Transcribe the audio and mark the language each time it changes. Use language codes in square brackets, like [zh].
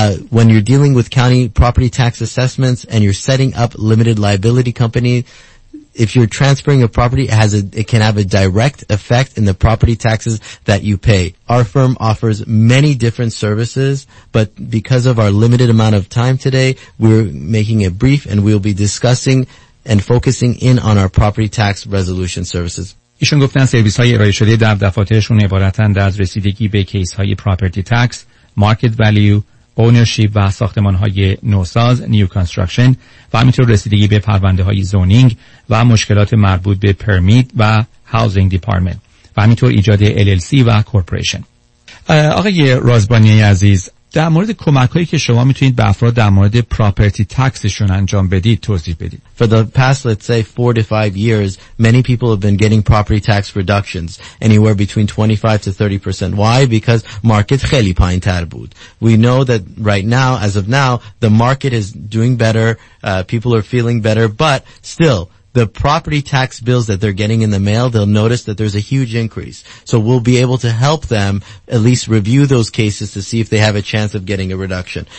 [en] When you're dealing with county property tax assessments and you're setting up limited liability company, if you're transferring a property, it can have a direct effect in the property taxes that you pay. Our firm offers many different services, but because of our limited amount of time today, we're making it brief and we'll be discussing and focusing in on our property tax resolution services. [fa] ایشون گفتن سرویس های ارائه شده در دفاترشون عبارتند از رسیدگی به کیس های پراپرتی تکس، مارکت ولیو، اونرشیپ و ساختمان های نوساز، نیو کانستراکشن و همینطور رسیدگی به پرونده های زونینگ و مشکلات مربوط به پرمیت و هاوزینگ دیپارتمنت و همینطور ایجاد LLC و کورپوریشن. آقای رازبانی عزیز، در مورد کمک هایی که شما میتونید به افراد در مورد پراپرتی تکسشون انجام بدید توضیح بدید. [en] For the past, let's say, 4 to 5 years, many people have been getting property tax reductions anywhere between 25 to 30%. Why? Because market [fa] خیلی پایین تر بود. [en] We know that right now, as of now, the market is doing better, people are feeling better, but still, the property tax bills that they're getting in the mail, they'll notice that there's a huge increase. So we'll be able to help them at least review those cases to see if they have a chance of getting a reduction.